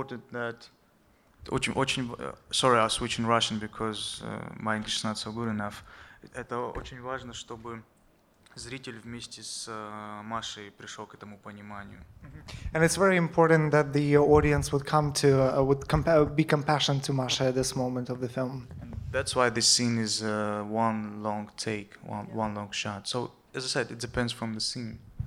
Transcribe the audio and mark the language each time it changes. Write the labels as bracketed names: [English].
[English] Sorry, I'll switch in Russian because my English is not so good enough. [Russian] Это очень важно, чтобы зритель вместе с Машей пришел к этому пониманию. [English] And it's very important that the audience would come to be compassionate to Masha at this moment of the film. And that's why this scene is one long take, one long shot. So as I said, it depends from the scene.